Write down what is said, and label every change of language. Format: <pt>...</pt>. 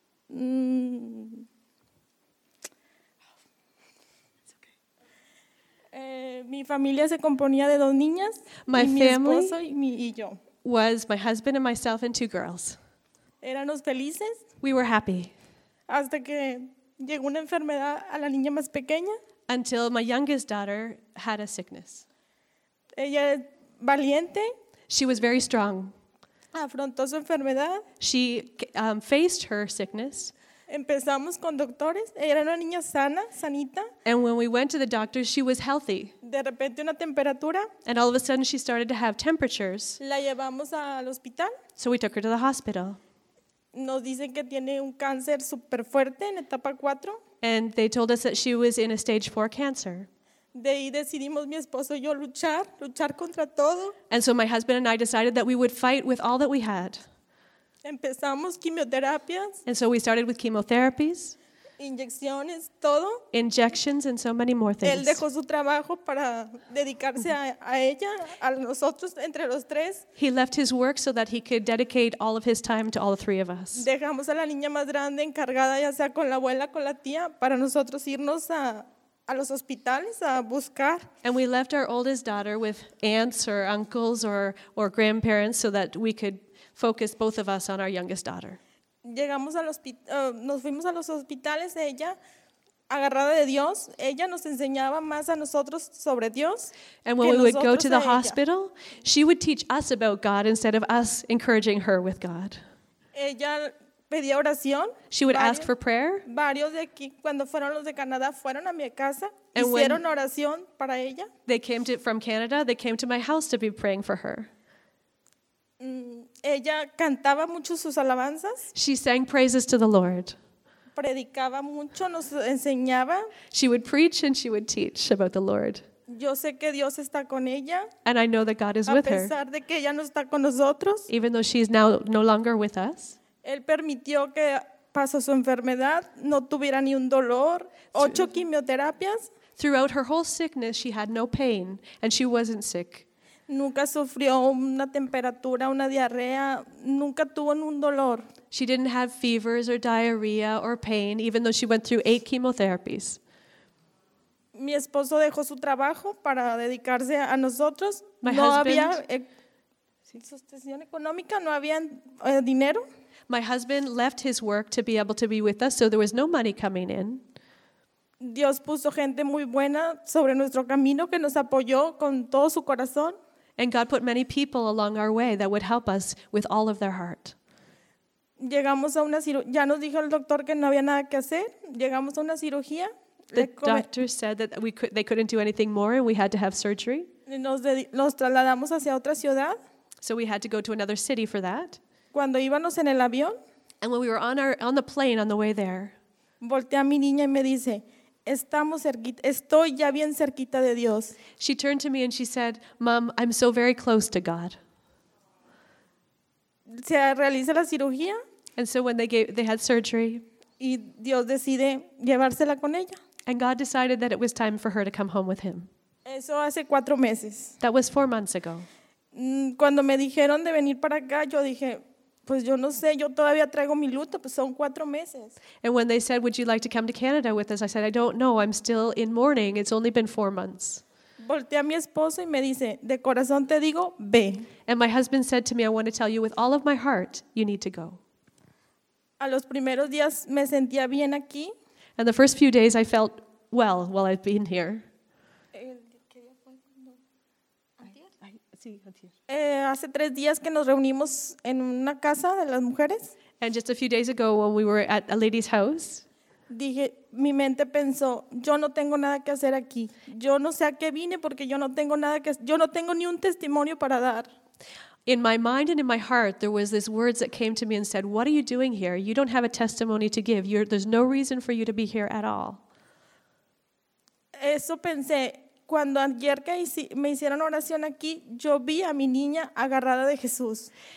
<es>Mi familia se componía de dos niñas, mi esposo y yo.</es> <en>Was my husband and myself and two girls.</en> <es>Éramos felices.</es> <en>We were happy.</en> <es>Hasta que llegó una enfermedad a la niña más pequeña.</es> <en>Until my youngest daughter had a sickness.</en> <es>Ella es valiente.</es> <en>She was very strong.</en> <es>Afrontó su enfermedad.</es> <en>She faced her sickness.</en> <es>Empezamos con doctores. Ella era una niña sana, sanita.</es> <en>And when we went to the doctors, she was healthy.</en> <es>De repente una temperatura.</es> <en>And all of a sudden, she started to have temperatures.</en> <es>La llevamos al hospital.</es> <en>So we took her to the hospital.</en> <es>Nos dicen que tiene un cáncer super fuerte en etapa 4.</es> <en>And they told us that she was in a stage 4 cancer.</en> <es>De ahí decidimos mi esposo y yo luchar contra todo.</es> <en>And so my husband and I decided that we would fight with all that we had.</en> <es>Empezamos quimioterapias.</es> <en>And so we started with chemotherapies.</en> <es>Inyecciones, todo.</es> <en>Injections and so many more things.</en> <es>Él dejó su trabajo para dedicarse a ella, a nosotros, entre los tres.</es> <en>He left his work so that he could dedicate all of his time to all the three of us.</en> <es>Dejamos a la niña más grande encargada, ya sea con la abuela, con la tía, para nosotros irnos a los hospitales a buscar.</es> <en>And we left our oldest daughter with aunts or uncles or grandparents so that we could focus both of us on our youngest daughter.</en> <es>Llegamos al hospital, nos fuimos a los hospitales, ella agarrada de Dios, ella nos enseñaba más a nosotros sobre Dios.</es> <en>And when we would go to the hospital, she would teach us about God instead of us encouraging her with God.</en> <es>Ella pedía oración.</es> <en>She would ask for prayer.</en> <es>Varios de aquí, cuando fueron los de Canadá, fueron a mi casa, hicieron oración para ella.</es> <en>They came to, from Canada, they came to my house to be praying for her.</en> <es>Ella cantaba mucho sus alabanzas.</es> <en>She sang praises to the Lord.</en> <es>Predicaba mucho, nos enseñaba.</es> <en>She would preach and she would teach about the Lord.</en> <es>Yo sé que Dios está con ella.</es> <en>And I know that God is with her.</en> <es>A pesar de que ella no está con nosotros.</es> <en>Even though she is now no longer with us.</en> <es>Él permitió que pasó su enfermedad, no tuviera ni un dolor. 8 quimioterapias.</es> <en>Throughout her whole sickness, she had no pain and she wasn't sick.</en> <es>Nunca sufrió una temperatura, una diarrea, nunca tuvo un dolor.</es> <en>She didn't have fevers or diarrhea or pain, even though she went through 8 chemotherapies.</en> <es>Mi esposo dejó su trabajo para dedicarse a nosotros.</es> <en>My</en> <es>no</es> <en>husband,</en> <es>había sustentación económica, no había dinero.</es> <en>My husband left his work to be able to be with us, so there was no money coming in.</en> <es>Dios puso gente muy buena sobre nuestro camino que nos apoyó con todo su corazón.</es> <en>And God put many people along our way that would help us with all of their heart.</en> <es>Llegamos a una cirugía. Ya nos dijo el doctor que no había nada que hacer. Llegamos a una cirugía.</es> <en>The doctor said that they couldn't do anything more and we had to have surgery.</en> <es>Nos trasladamos hacia otra ciudad.</es> <en>So we had to go to another city for that.</en> <es>Cuando íbamos en el avión.</es> <en>And when we were on the plane on the way there.</en> <es>Volteé a mi niña y me dice, estamos cerquita, estoy ya bien cerquita de Dios.</es> <en>She turned to me and she said, "Mom, I'm so very close to God."</en> <es>Se realiza la cirugía.</es> <en>And so when they had surgery.</en> <es>Y Dios decide llevársela con ella.</es> <en>And God decided that it was time for her to come home with him.</en> <es>Eso hace 4 meses.</es> <en>That was 4 months ago.</en> <es>Cuando me dijeron de venir para acá, yo dije, pues yo no sé, yo todavía traigo mi luto, pues son 4 meses.</es> <en>And when they said, would you like to come to Canada with us? I said, I don't know, I'm still in mourning. It's only been 4 months.</en> <es>Volteé a mi esposo y me dice, de corazón te digo, ve.</es> <en>And my husband said to me, I want to tell you with all of my heart, you need to go.</en> <es>A los primeros días me sentía bien aquí.</es> <en>And the first few days I felt well while I've been here.</en> <es>Hace 3 días que nos reunimos en una casa de las mujeres.</es> <en>And just a few days ago when we were at a lady's house.</en> <es>Dije, mi mente pensó, yo no tengo nada que hacer aquí. Yo no sé a qué vine porque yo no tengo nada que, yo no tengo ni un testimonio para dar.</es> <en>In my mind and in my heart, there was this words that came to me and said, what are you doing here? You don't have a testimony to give. There's no reason for you to be here at all.</en> <es>Eso pensé. Cuando ayer que me hicieron oración aquí, yo vi a mi niña agarrada de Jesús.</es>